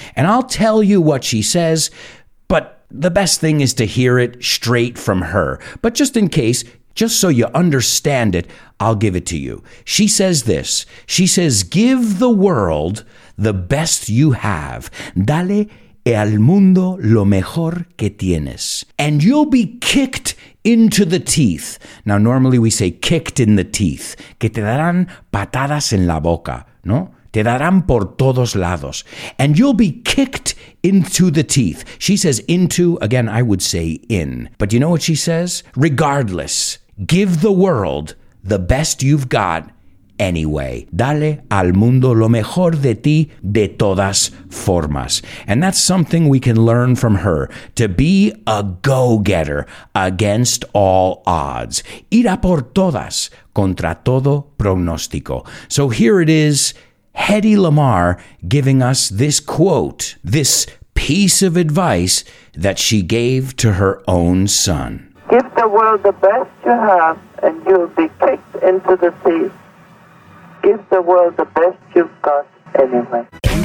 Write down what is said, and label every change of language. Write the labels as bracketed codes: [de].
[en] And I'll tell you what she says, but the best thing is to hear it straight from her. But just in case, just so you understand it, I'll give it to you. She says this. She says, give the world the best you have. [es] Dale al mundo lo mejor que tienes. [en] And you'll be kicked into the teeth. Now, normally we say kicked in the teeth. [es] Que te darán patadas en la boca, no? Te darán por todos lados. [en] And you'll be kicked into the teeth. She says into, again, I would say in. But you know what she says? Regardless, give the world the best you've got anyway. [es] Dale al mundo lo mejor de ti de todas formas. [en] And that's something we can learn from her. To be a go-getter against all odds. [es] Ir a por todas contra todo pronóstico. [en] So here it is, Hedy Lamarr giving us this quote, this piece of advice that she gave to her own son. Give the world the best you have and you'll be kicked into the sea. Give the world the best you've got anyway.